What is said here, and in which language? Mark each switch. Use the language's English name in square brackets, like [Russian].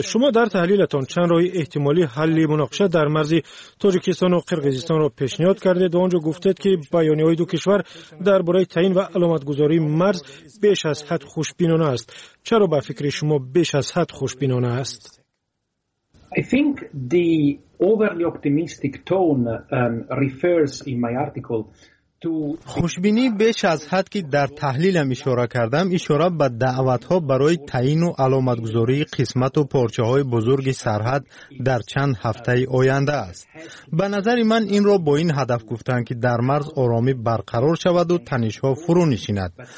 [Persian] شما در تحلیلتان چند راه احتمالی حل مناقشه در مرز تاجیکستان و قرقیزستان را پیشنهاد کردید و آنجا گفتید که بیانیه‌های دو کشور درباره تعیین و علامت‌گذاری مرز بیش از حد خوشبینانه است. چرا به فکر شما بیش از حد خوشبینانه است؟ [English] I think the overly optimistic tone refers in my article [Persian] خوشبینی بیش از حد که در تحلیلم اشاره کردم اشاره به دعوتها برای تعیین و علامتگذاری قسمت و پارچه های بزرگ سرحد در چند هفته آینده است. به نظر من این را با این هدف گفتند که در مرز آرامی برقرار شود و تنش ها فرو نشیند.